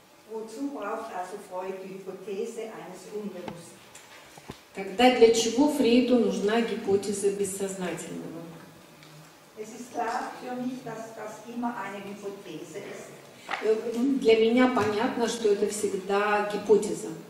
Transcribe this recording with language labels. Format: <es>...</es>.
<de>Wozu braucht also Freud die Hypothese eines Unbewussten?</de> <ru>Тогда для чего Фрейду нужна гипотеза бессознательного?</ru> <de>Es ist klar für mich, dass das immer eine Hypothese ist.</de> <ru>Для меня понятно, что это всегда гипотеза.</ru>